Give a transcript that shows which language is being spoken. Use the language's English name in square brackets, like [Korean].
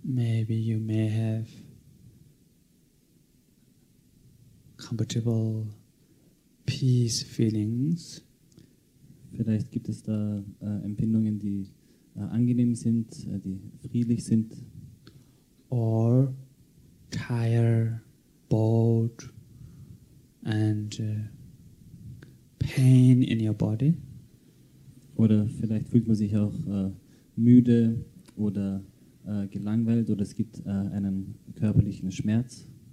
[English] Maybe you may have comfortable peace feelings. [German] Vielleicht gibt es da Empfindungen, die angenehm sind, die friedlich sind. [English] Or tired, bored and pain in your body. [German] Oder vielleicht fühlt man sich auch müde oder gelangweilt oder es gibt einen körperlichen Schmerz.